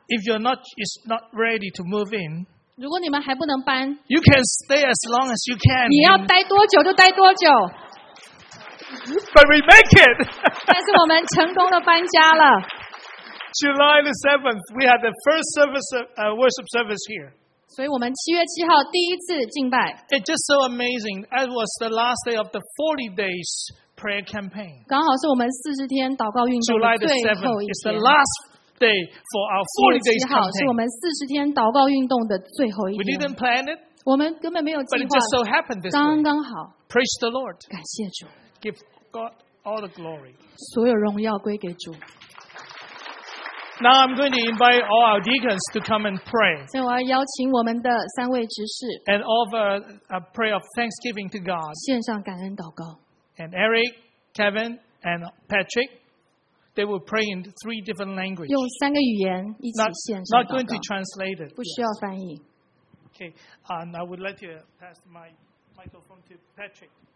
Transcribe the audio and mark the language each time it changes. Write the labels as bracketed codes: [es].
[en] If you're not, is not ready to move in. [zh] 如果你们还不能搬。 [en] You can stay as long as you can. [zh] 你要待多久就待多久。 [en] But we make it. [zh] 但是我们成功的搬家了。 [en] July the 7th, we had the first service, worship service here. [zh] 所以我们七月七号第一次敬拜。 [en] It's just so amazing. That was the last day of the 40 days prayer campaign. [zh] 刚好是我们四十天祷告运动的最后一天。 [en] It's the last day for our 40 days campaign. [zh] 七月七号是我们四十天祷告运动的最后一天。 [en] We didn't plan it. [zh] 我们根本没有计划。 [en] But it just so happened this way. [zh] 刚刚好。 [en] Praise the Lord. [zh] 感谢主。 [en] Give God all the glory. [zh] 所有荣耀归给主。 [en] Now I'm going to invite all our deacons to come and pray. [zh] 所以我要邀请我们的三位执事。 [en] And offer a prayer of thanksgiving to God. [zh] 献上感恩祷告。 [en] And Eric, Kevin, and Patrick, they will pray in three different languages. [zh] 用三个语言一起献上祷告。 [en] Not going to translate it. [zh] 不需要翻译。 [en] Okay, and I would like to pass my microphone to Patrick.